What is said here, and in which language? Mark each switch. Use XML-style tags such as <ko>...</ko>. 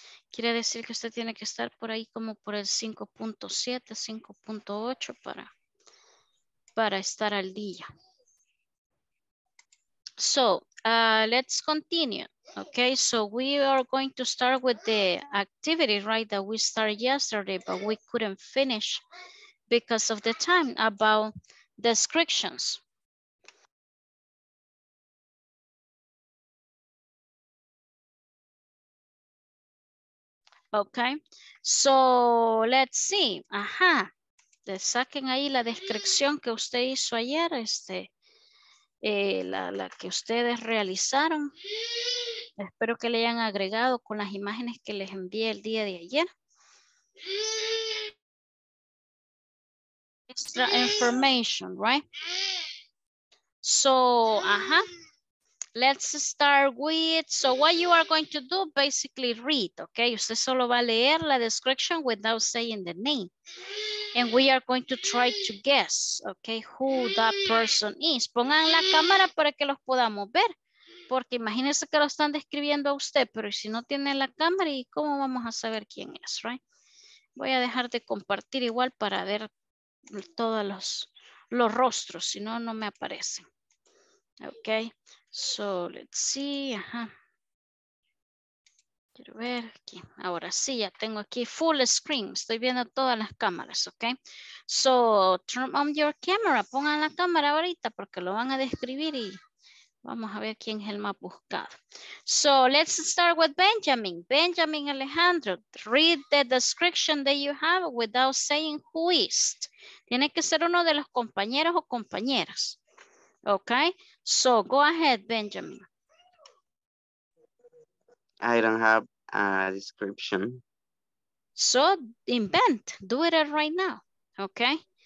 <es>Quiere decir que usted tiene que estar por ahí como por el 5.7, 5.8 para estar al día.</es> <en>So, let's continue. Okay, so we are going to start with the activity, right, that we started yesterday, but we couldn't finish because of the time, about descriptions. Okay, so let's see.</en> <es>Ajá, le saquen ahí la descripción que usted hizo ayer, la que ustedes realizaron. Espero que le hayan agregado con las imágenes que les envié el día de ayer.</es> <en>Extra information, right? So, ajá. Let's start with, so what you are going to do, basically read, okay?</en> <es>Usted solo va a leer la description</es> <en>without saying the name. And we are going to try to guess, okay, who that person is.</en> <es>Pongan la cámara para que los podamos ver. Porque imagínense que lo están describiendo a usted, pero si no tiene la cámara, ¿y cómo vamos a saber quién es, right? Voy a dejar de compartir igual para ver todos los rostros, si no, no me aparecen.</es> <en>Okay, so let's see, ajá.</en> <es>Quiero ver aquí. Ahora sí, ya tengo aquí</es> <en>full screen.</en> <es>Estoy viendo todas las cámaras, ¿ok?</es> <en>So, turn on your camera.</en> <es>Pongan la cámara ahorita porque lo van a describir y vamos a ver quién es el más buscado.</es> <en>So, let's start with Benjamin. Benjamin Alejandro, read the description that you have without saying who is.</en> <es>Tiene que ser uno de los compañeros o compañeras.</es> <en>¿Ok? So, go ahead, Benjamin. I don't have a description. So invent, do it right now, okay?</en>